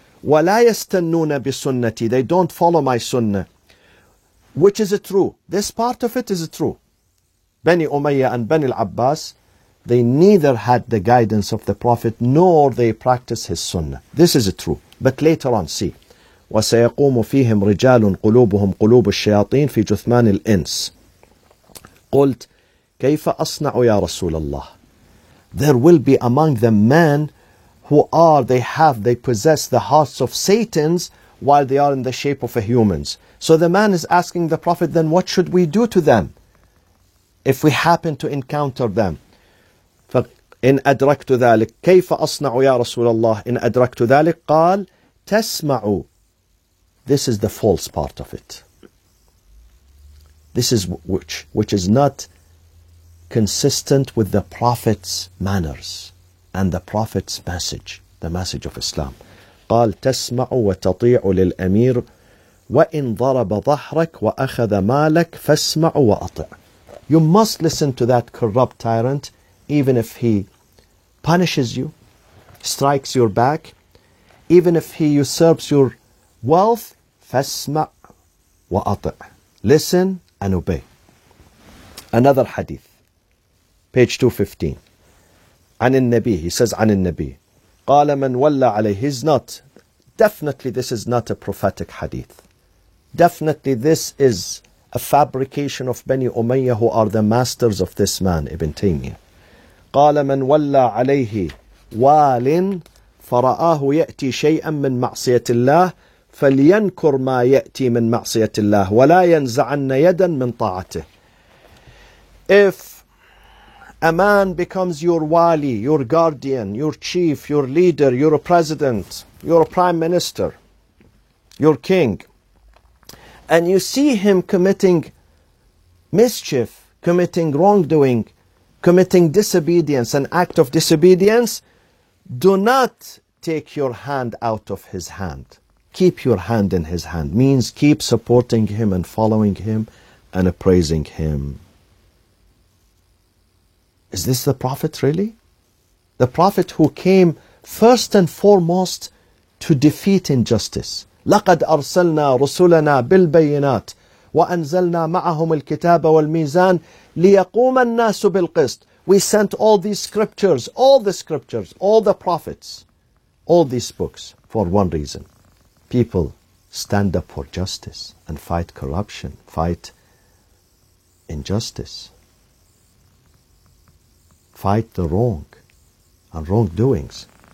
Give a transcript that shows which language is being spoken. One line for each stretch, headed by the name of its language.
Arabic: وَلَا يَسْتَنُّونَ بِسُنَّتِي.
English: They don't follow my sunnah. Which is true. This part of it is true. Bani Umayyah and Bani al-Abbas, they neither had the guidance of the Prophet nor they practice his sunnah. This is true. But later on, see.
Arabic: وسيقوم فيهم رجال قلوبهم قلوب الشياطين في جثمان الإنس. قلت كيف أصنع يا رسول الله.
English: There will be among them men who are, they possess the hearts of Satans while they are in the shape of a humans. So the man is asking the Prophet, then what should we do to them if we happen to encounter them.
Arabic: فإن أدركت ذلك كيف أصنع يا رسول الله إن أدركت ذلك قال تسمع.
English: This is the false part of it. This is which is not consistent with the Prophet's manners and the Prophet's message, the message of Islam.
Arabic: قال تسمع وتطيع للأمير وإن ضرب ظهرك وأخذ مالك فاسمع وأطع.
English: You must listen to that corrupt tyrant, even if he punishes you, strikes your back, even if he usurps your wealth.
Arabic: فَاسْمَعْ وَأَطِعْ.
English: Listen and obey. Another hadith. Page 215.
Arabic: عن النبي.
English: He says
Arabic: عن النبي. قَالَ مَنْ وَلَّ عَلَيْهِ.
English: He's not. Definitely this is not a prophetic hadith. Definitely this is a fabrication of Bani Umayyah, who are the masters of this man, Ibn Taymiyyah.
Arabic: قال من ولى عليه وال فرآه يأتي شيئا من معصية الله فلينكر ما يأتي من معصية الله ولا ينزعن يدا من طاعته.
English: If a man becomes your wali, your guardian, your chief, your leader, your president, your prime minister, your king, and you see him committing mischief, committing wrongdoing, committing disobedience, an act of disobedience, do not take your hand out of his hand. Keep your hand in his hand. Means keep supporting him and following him and appraising him. Is this the Prophet really? The Prophet who came first and foremost to defeat injustice.
Arabic: لقد أرسلنا رسلنا بالبينات وأنزلنا معهم الكتاب والميزان ليقوم الناس بالقسط.
English: We sent all these scriptures, all the scriptures, all the prophets, all these books for one reason. People stand up for justice and fight corruption, fight injustice, fight the wrong and wrongdoings.